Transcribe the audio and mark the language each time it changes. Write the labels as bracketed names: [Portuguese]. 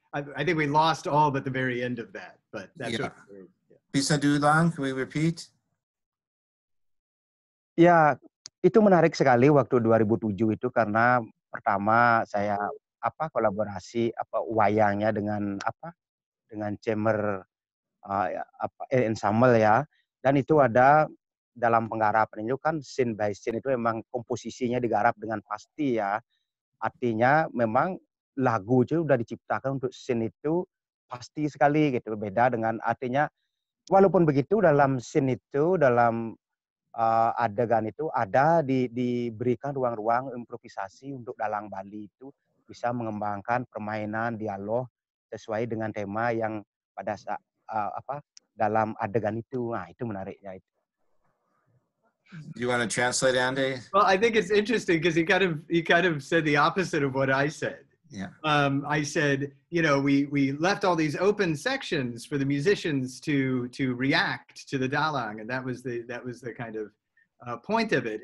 [English] I think we lost all but the very end of that, but that's yeah. What we're, yeah. [Indonesian] Bisa diulang? [English] Can we repeat? [Indonesian] Ya, itu menarik sekali waktu 2007 itu karena pertama saya apa kolaborasi apa wayangnya dengan apa dengan chamber apa ensemble ya, dan itu ada dalam penggarapan itu kan scene by scene itu memang komposisinya digarap dengan pasti ya, artinya memang lagu itu sudah diciptakan untuk scene itu pasti sekali gitu, beda dengan artinya walaupun begitu dalam scene itu dalam adegan itu ada diberikan ruang-ruang improvisasi untuk dalang Bali itu bisa mengembangkan permainan dialog sesuai dengan tema yang pada saat apa dalam adegan itu. Nah, itu menariknya itu. [English] Do you want to translate, Andy? Well, I think it's interesting because he kind of said the opposite of what I said. Yeah. I said, you know, we left all these open sections for the musicians to react to the dalang, and that was the kind of point of it.